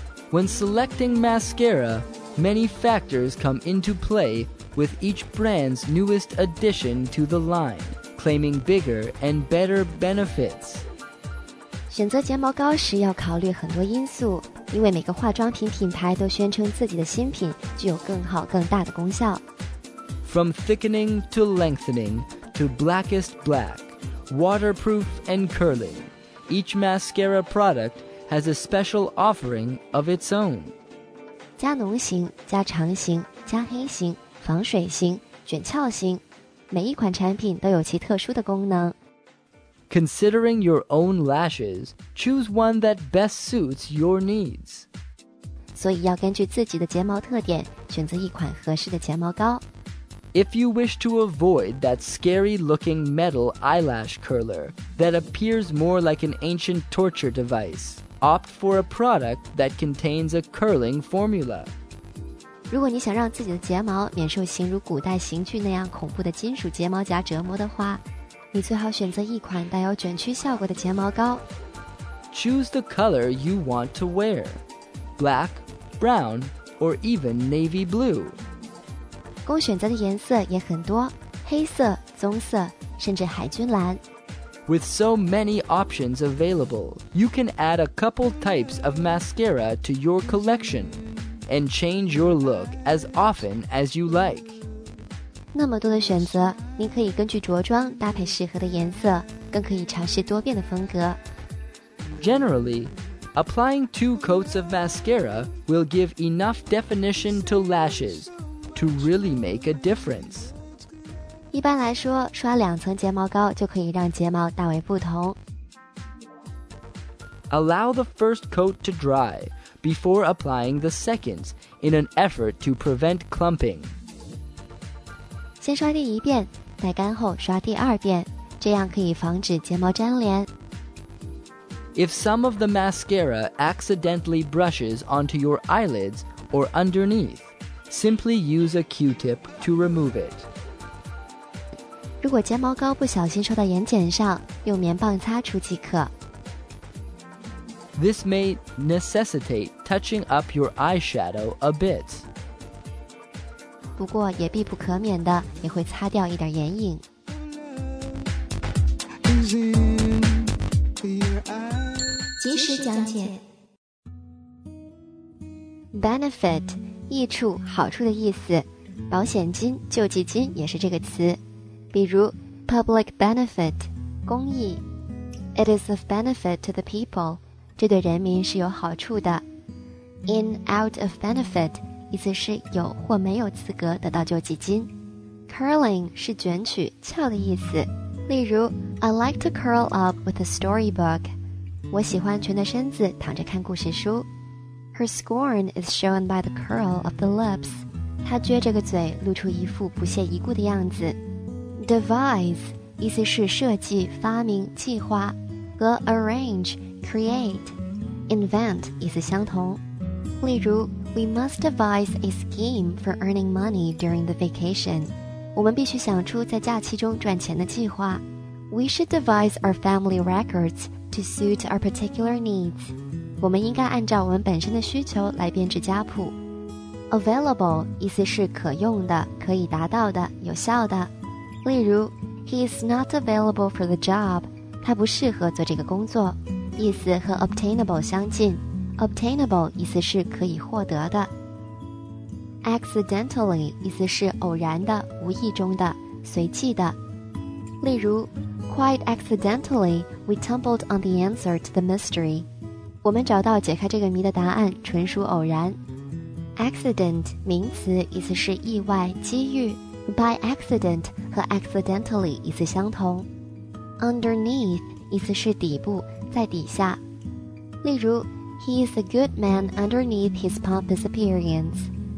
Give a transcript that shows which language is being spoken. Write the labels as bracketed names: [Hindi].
[English] When selecting mascara, many factors come into play with each brand's newest addition to the line, claiming bigger and better benefits. [Chinese] 选择睫毛膏时要考虑很多因素，因为每个化妆品品牌都宣称自己的新品具有更好更大的功效。 [English] From thickening to lengthening to blackest black, waterproof and curling, each mascara product has a special offering of its own. [Chinese] 加浓型、加长型、加黑型、防水型、卷翘型，每一款产品都有其特殊的功能。 [English] Considering your own lashes, choose one that best suits your needs. [Chinese] 所以要根据自己的睫毛特点选择一款合适的睫毛膏。 [English] If you wish to avoid that scary-looking metal eyelash curler that appears more like an ancient torture device, opt for a product that contains a curling formula. [Chinese] 如果你想让自己的睫毛免受形如古代刑具那样恐怖的金属睫毛夹折磨的话，你最好选择一款带有卷曲效果的睫毛膏。 [English] Choose the color you want to wear, black, brown, or even navy blue. [Chinese] 供选择的颜色也很多，黑色、棕色，甚至海军蓝。 [English] With so many options available, you can add a couple types of mascara to your collection and change your look as often as you like. [Chinese] 那么多的选择，您可以根据着装搭配适合的颜色，更可以尝试多变的风格。 [English] Generally, applying two coats of mascara will give enough definition to lashes to really make a difference. [Chinese] 一般来说，刷两层睫毛膏就可以让睫毛大为不同。 [English] Allow the first coat to dry before applying the second in an effort to prevent clumping. [Chinese] 先刷第一遍，再干后刷第二遍，这样可以防止睫毛粘连。 [English] If some of the mascara accidentally brushes onto your eyelids or underneath, simply use a Q-tip to remove it. [Chinese] 如果睫毛膏不小心刷到眼睑上，用棉棒擦除即可。 [English] This may necessitate touching up your eyeshadow a bit. [Chinese] 不过也必不可免的，也会擦掉一点眼影。及时讲解。 Benefit, 益处、好处的意思。保险金、救济金也是这个词。 [English] 比如 public benefit, 公益。It is of benefit to the people. [Chinese] 这对人民是有好处的。 [English] In out of benefit, [Chinese] 意思是有或没有资格得到救济金。 Curling 是卷曲、翘的意思。 [English] 例如 I like to curl up with a storybook. [Chinese] 我喜欢蜷着身子躺着看故事书。 [English] Her scorn is shown by the curl of the lips. [Chinese] 她撅着个嘴露出一副不屑一顾的样子。 Devise 意思是设计、发明、计划和 arrange,Create, invent 意思相同。 [English] 例如 ，We must devise a scheme for earning money during the vacation. [Chinese] 我们必须想出在假期中赚钱的计划。 [English] We should devise our family records to suit our particular needs. [Chinese] 我们应该按照我们本身的需求来编制家谱。 Available 意思是可用的、可以达到的、有效的。 [English] 例如 ，He is not available for the job. [Chinese] 他不适合做这个工作。意思和 obtainable 相近， obtainable 意思是可以获得的。 Accidentally 意思是偶然的、无意中的、随机的。 [English] 例如 Quite accidentally we tumbled on the answer to the mystery. [Chinese] 我们找到解开这个谜的答案，纯属偶然。 Accident 名词意思是意外、机遇。 By accident 和 accidentally 意思相同。 Underneath 意思是底部，在底下。 [English] 例如 He is a good man underneath his pompous appearance.